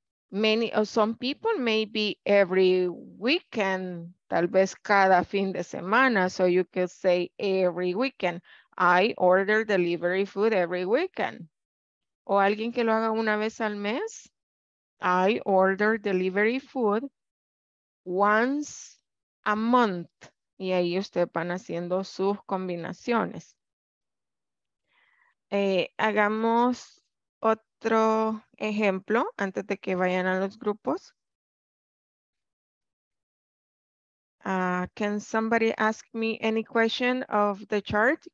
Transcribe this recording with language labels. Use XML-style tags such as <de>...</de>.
<en>Many or some people maybe every weekend,</en> <es>tal vez cada fin de semana,</es> <en>so you could say every weekend. I order delivery food every weekend.</en> <es>O alguien que lo haga una vez al mes.</es> <en>I order delivery food once a month.</en> <es>Y ahí ustedes van haciendo sus combinaciones. Hagamos otro ejemplo antes de que vayan a los grupos.</es> <en>Can somebody ask me any question of the chart?</en>